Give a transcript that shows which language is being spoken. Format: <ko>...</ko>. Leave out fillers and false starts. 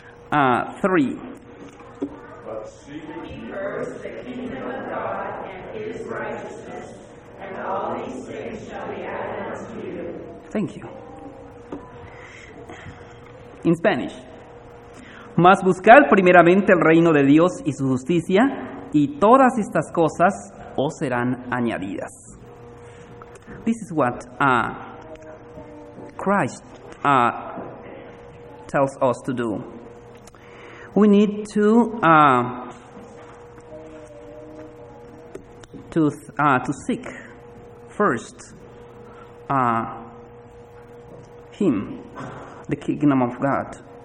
<en>But seek ye first the kingdom of God and his righteousness, and all these things shall be added unto you. Thank you. In Spanish.</en> <es>Mas buscad primeramente el reino de Dios y su justicia, y todas estas cosas os serán añadidas.</es> <en>This is what Christ tells us to do. We need to seek first Him, the kingdom of God.</en>